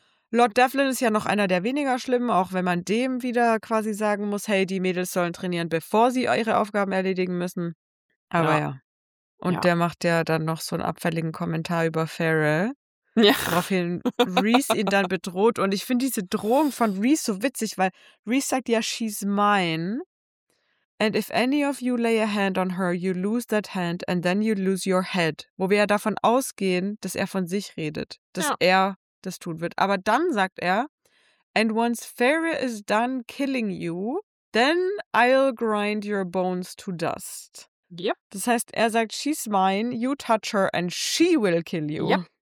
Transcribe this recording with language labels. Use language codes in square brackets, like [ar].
[de] Lord Devlin ist ja noch einer der weniger schlimmen, auch wenn man dem wieder quasi sagen muss, hey, die Mädels sollen trainieren, bevor sie ihre Aufgaben erledigen müssen. Aber ja. Und ja. Der macht ja dann noch so einen abfälligen Kommentar über Farrell. Ja. Daraufhin Rhys ihn dann bedroht. Und ich finde diese Drohung von Rhys so witzig, weil Rhys sagt ja, [en] she's mine. And if any of you lay a hand on her, you lose that hand and then you lose your head. [de] Wo wir ja davon ausgehen, dass er von sich redet, dass ja. Er das tun wird. Aber dann sagt er, [en] and once Farrah is done killing you, then I'll grind your bones to dust. [de] Ja. Das heißt, er sagt, [en] she's mine, you touch her and she will kill you.